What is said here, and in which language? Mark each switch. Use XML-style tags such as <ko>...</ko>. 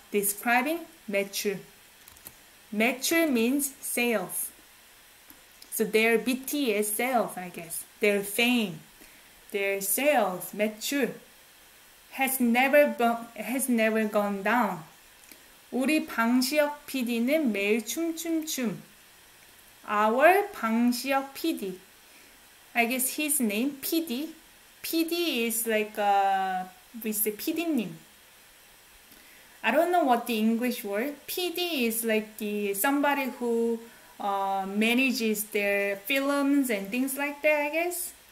<en>Describing 매출. 매출 means sales. So their BTS sales, I guess, their fame, their sales, 매출, has never gone down.</en> <ko>우리 방시혁 PD는 매일 춤춤춤.</ko> <en>Our 방시혁 PD, I guess his name, PD. PD is like, we say PD님. I don't know what the English word. PD is like the somebody who manages their films and things like that, I guess.</en>